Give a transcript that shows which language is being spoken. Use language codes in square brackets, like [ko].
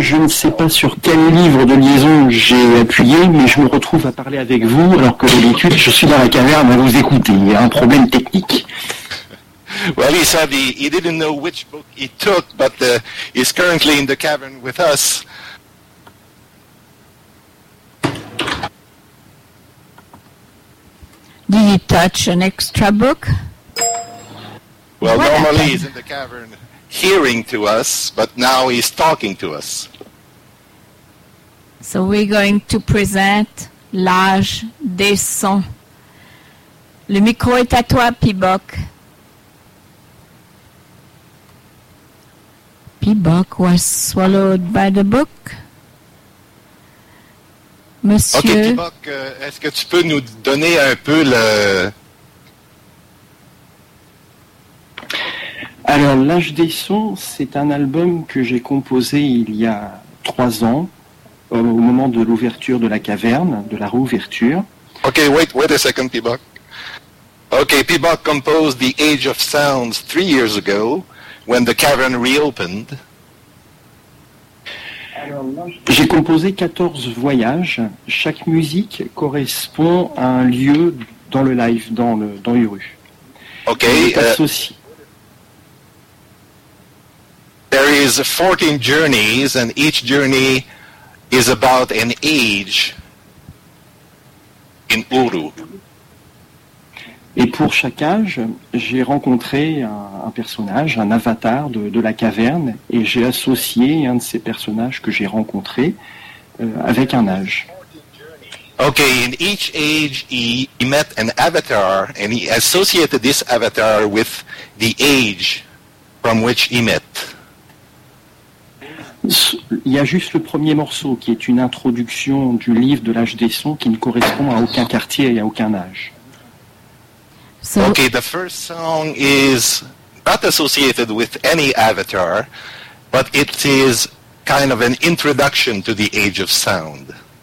[fr] Je ne sais pas sur quel livre de liaison j'ai appuyé, mais je me retrouve à parler avec vous alors que d'habitude je suis dans la caverne à vous écouter. Il y a un problème technique. [en] Well, he said he didn't know which book he took, but he's currently in the cavern with us. Did he touch an extra book? Well, what normally happened? He's in the cavern hearing to us, but now he's talking to us. So we're going to present l'âge des sons. [fr] Le micro est à toi, Pibok. [en] Pibok was swallowed by the book. [fr] Monsieur... Ok, Pibok, est-ce que tu peux nous donner un peu le... Alors, L'âge des sons, c'est un album que j'ai composé il y a 3 ans, au moment de l'ouverture de la caverne, de la rouverture. [en] Ok, wait a second, Pibok. Ok, Pibok composed The Age of Sounds 3 years ago, when the cavern reopened. [fr] J'ai composé 14 voyages. Chaque musique correspond à un lieu dans le live, dans Uru. [en] Ok. There is 14 journeys, and each journey is about an age in Uru. [fr] Et pour chaque âge, j'ai rencontré un personnage, un avatar de la caverne, et j'ai associé un de ces personnages que j'ai rencontré avec un âge. [en] Okay, in each age, he met an avatar, and he associated this avatar with the age from which he met. [fr] Il y a juste le premier morceau qui est une introduction du livre de l'âge des sons qui ne correspond à aucun quartier et à aucun âge. [en] So, okay, the first song is not associated with any avatar, but it is kind of an introduction to the age of sound.